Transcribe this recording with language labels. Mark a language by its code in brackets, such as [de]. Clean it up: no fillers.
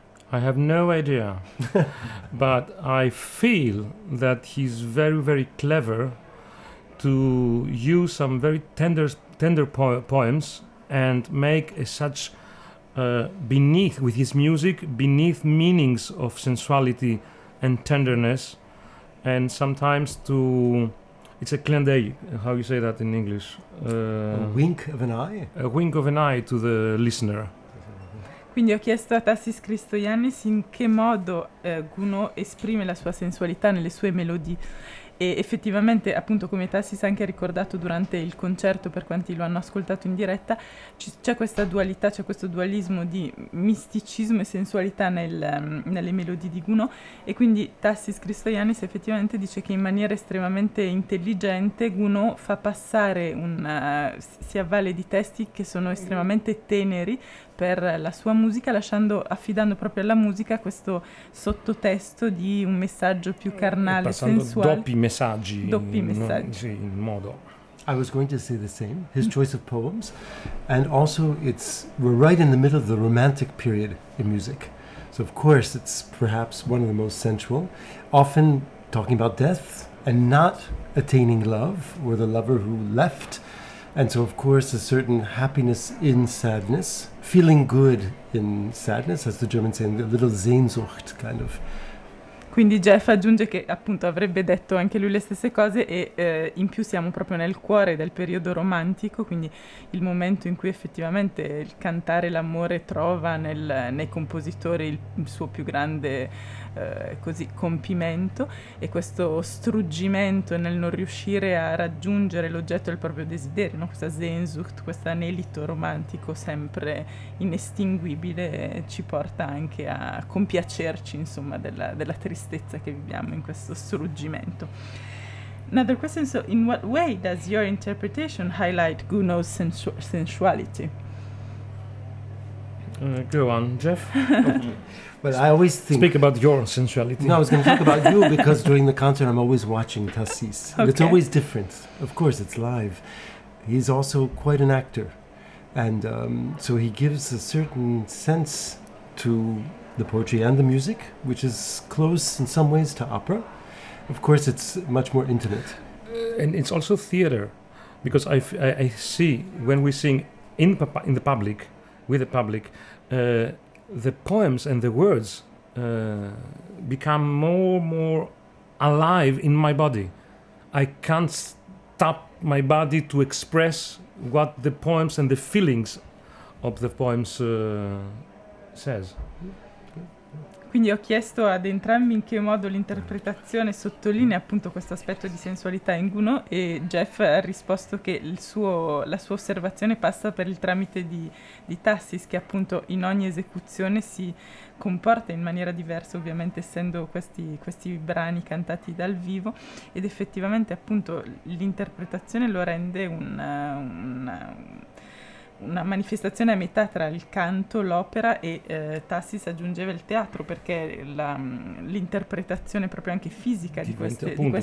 [en] I have no idea, but I feel that he's very, very clever to use some very tender poems and make beneath meanings of sensuality and tenderness, and sometimes it's a clin d'œil, how you say that in English? A wink of an eye to the listener. [it] Quindi ho chiesto a Tassis Christoyannis in che modo Gounod esprime la sua sensualità nelle sue melodie. E effettivamente, appunto, come Tassis ha anche ricordato durante il concerto, per quanti lo hanno ascoltato in diretta, c'è questa dualità, c'è questo dualismo di misticismo e sensualità nelle melodie di Gounod. E quindi Tassis Christoyannis effettivamente dice che in maniera estremamente intelligente Gounod fa passare si avvale di testi che sono estremamente teneri per la sua musica, affidando proprio alla musica questo sottotesto di un messaggio più carnale, sensuale. Doppi messaggi. In modo. I was going to say the same. His choice of poems, and also we're right in the middle of the Romantic period in music, so of course it's perhaps one of the most sensual, often talking about death and not attaining love or the lover who left, and so of course a certain happiness in sadness, feeling good in sadness, as the Germans say, a little Sehnsucht kind of. Quindi Jeff aggiunge che appunto avrebbe detto anche lui le stesse cose e in più siamo proprio nel cuore del periodo romantico, quindi il momento in cui effettivamente il cantare l'amore trova nei compositori il suo più grande compimento, e questo struggimento nel non riuscire a raggiungere l'oggetto del proprio desiderio, no? Questa Sehnsucht, questo anelito romantico sempre inestinguibile, ci porta anche a compiacerci insomma della tristezza che viviamo in questo struggimento. [en] Another question, so in what way does your interpretation highlight Gounod's sensuality? Go on, Jeff. But I always think... Speak about your sensuality. No, I was going to talk about you, because during the concert I'm always watching Tassis. Okay. It's always different. Of course, it's live. He's also quite an actor. And so he gives a certain sense to the poetry and the music, which is close in some ways to opera. Of course, it's much more intimate. And it's also theater, because I see when we sing with the public, the poems and the words become more alive in my body. I can't stop my body to express what the poems and the feelings of the poems says. [it] Quindi ho chiesto ad entrambi in che modo l'interpretazione sottolinea appunto questo aspetto di sensualità in Gounod, e Jeff ha risposto che la sua osservazione passa per il tramite di Tassis, che appunto in ogni esecuzione si comporta in maniera diversa, ovviamente essendo questi brani cantati dal vivo, ed effettivamente appunto l'interpretazione lo rende una manifestazione a metà tra il canto, l'opera e Tassis aggiungeva il teatro, perché l'interpretazione proprio anche fisica di queste